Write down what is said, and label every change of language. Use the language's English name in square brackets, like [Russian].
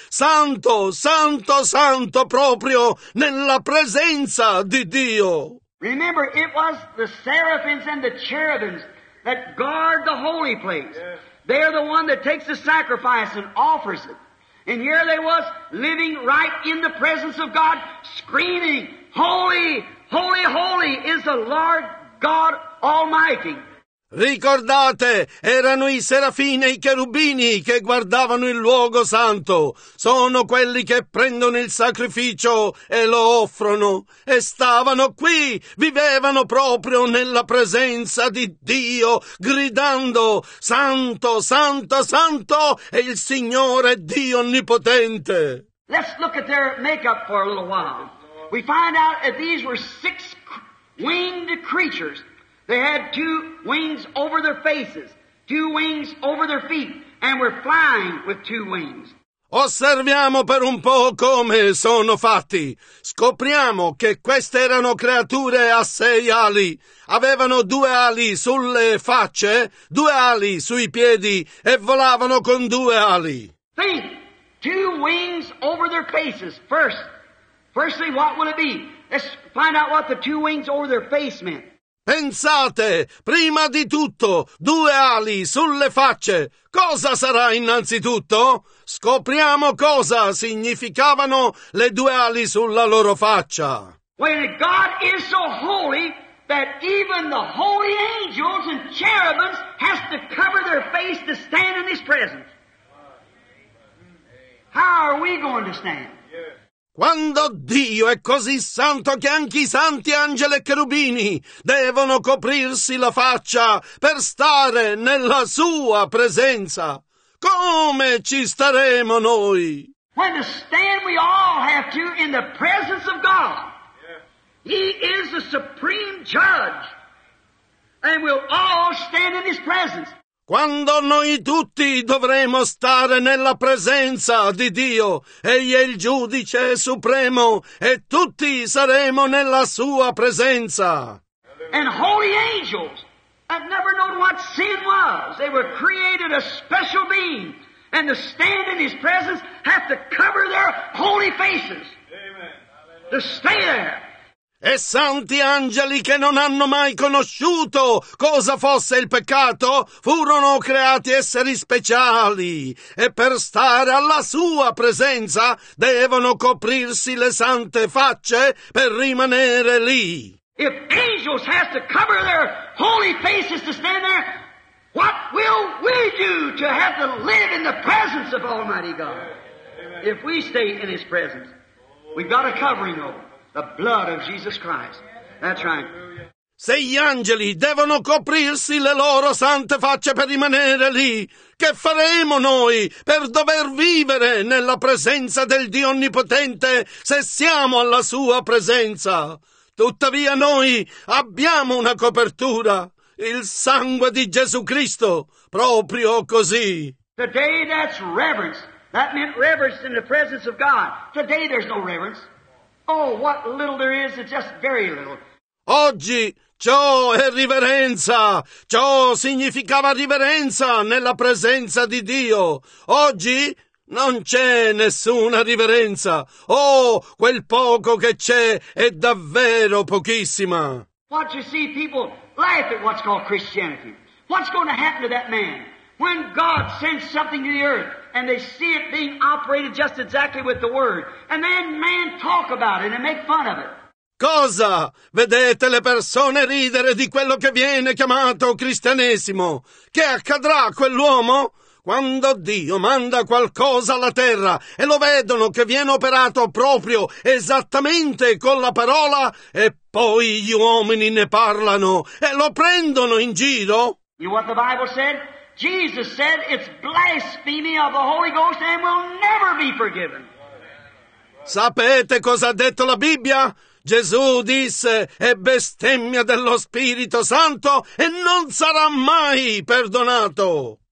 [Italian] Santo, santo, santo proprio nella presenza di Dio. [English] Remember, it was the seraphims and the cherubims that guard the holy place. Yes. They are the one that takes the sacrifice and offers it. And here they was, living right in the presence of God, screaming, holy, holy, holy is the Lord God Almighty. [Italian] Ricordate, erano i serafini e i cherubini che guardavano il luogo santo. Sono quelli che prendono il sacrificio e lo offrono. E stavano qui, vivevano proprio nella presenza di Dio, gridando, santo, santo, santo è il Signore Dio Onnipotente. [English] Let's look at their makeup for a little while. We find out that these were six winged creatures. They had two wings over their faces, two wings over their feet, and were flying with two wings. [Italian] Osserviamo per un po' come sono fatti. Scopriamo che queste erano creature a sei ali. Avevano due ali sulle facce, due ali sui piedi e volavano con due ali. [English] Think, two wings over their faces. Firstly, what would it be? Let's find out what the two wings over their face meant. [Italian] Pensate, prima di tutto, due ali sulle facce. Cosa sarà innanzitutto? Scopriamo cosa significavano le due ali sulla loro faccia. [English] When God is so holy that even the holy angels and cherubims has to cover their face to stand in His presence. How are we going to stand? [Italian] Quando Dio è così santo che anche i santi angeli e cherubini devono coprirsi la faccia per stare nella sua presenza, come ci staremo noi? [English] When to stand we all have to in the presence of God. He is the supreme judge and we'll all stand in His presence. [Italian] Quando noi tutti dovremo stare nella presenza di Dio, Egli è il giudice supremo e tutti saremo nella sua presenza. [English] And holy angels have never known what sin was. They were created a special being and to stand in His presence have to cover their holy faces. Amen. To stay there. [Italian] E santi angeli che non hanno mai conosciuto cosa fosse il peccato, furono creati esseri speciali. E per stare alla sua presenza, devono coprirsi le sante facce per rimanere lì. [English] If angels have to cover their holy faces to stand there, what will we do to have to live in the presence of Almighty God? Amen. If we stay in His presence, we've got a covering over. The blood of Jesus Christ. That's right. [Italian] Se gli angeli devono coprirsi le loro sante facce per rimanere lì, che faremo noi per dover vivere nella presenza del Dio Onnipotente se siamo alla sua presenza? Tuttavia noi abbiamo una copertura, il sangue di Gesù Cristo, proprio così. [English] Today that's reverence. That meant reverence in the presence of God. Today there's no reverence. Oh, what little there is, it's just very little. [Italian] Oggi ciò è riverenza. Ciò significava riverenza nella presenza di Dio. Oggi non c'è nessuna riverenza. Oh, quel poco che c'è è davvero pochissima. [English] What you see people laugh at what's called Christianity. What's going to happen to that man? When God sends something to the earth and they see it being operated just exactly with the word and then man talk about it and make fun of it. [Italian] Cosa vedete le persone ridere di quello che viene chiamato cristianesimo? Che accadrà a quell'uomo? Quando Dio manda qualcosa alla terra e lo vedono che viene operato proprio esattamente con la parola e poi gli uomini ne parlano e lo prendono in giro? [English] You know what the Bible said? Jesus said it's blasphemy of the Holy Ghost and will never be forgiven. [Italian] Sapete cosa ha detto la Bibbia? Gesù disse è bestemmia dello Spirito Santo e non sarà mai perdonato.